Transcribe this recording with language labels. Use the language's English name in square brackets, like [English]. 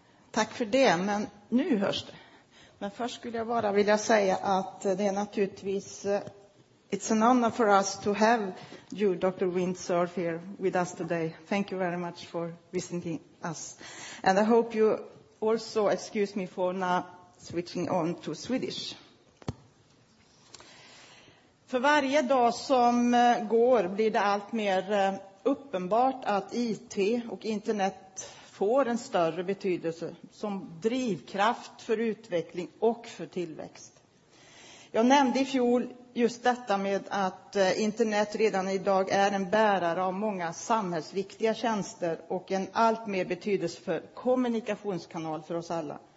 [Swedish] Tack för det, men nu hörs det. Men först skulle jag bara vilja säga att det är naturligtvis... [English] It's an honor for us to have you, Dr. Windsurf, here with us today. Thank you very much for visiting us. And I hope you also excuse me for now switching on to Swedish. [Swedish] För varje dag som går blir det allt mer uppenbart att IT och internet får en större betydelse som drivkraft för utveckling och för tillväxt. Jag nämnde i fjol just detta med att internet redan idag är en bärare av många samhällsviktiga tjänster och en allt mer betydelsefull kommunikationskanal för oss alla.